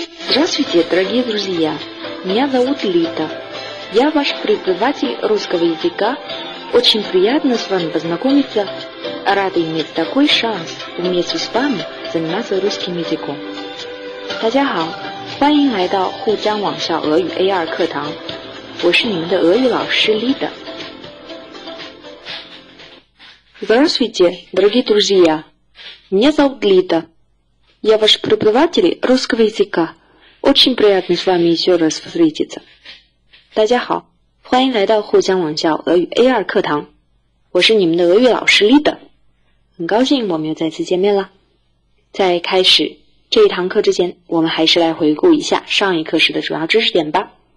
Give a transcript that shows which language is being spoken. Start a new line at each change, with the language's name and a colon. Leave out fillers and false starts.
Russian: Здравствуйте, дорогие друзья! Меня зовут Лита. Я ваш преподаватель русского языка. Очень приятно с вами познакомиться. Рада иметь такой шанс вместе с вами заниматься русским языком.
Chinese: 大家好，欢迎来到沪江网校俄语 A2 课堂。我是你们的俄语老师 Лита。
Russian: Здравствуйте, дорогие друзья! Меня зовут Лита. Я ваш преподаватель русского языка. Очень приятно с вами еще раз встретиться.
Chinese: 大家好，欢迎来到沪江网校俄语 A2 课堂。我是你们的俄语老师 Лита。很高兴我们又再次见面了。在开始这一堂课之前，我们还是来回顾一下上一课时的主要知识点吧。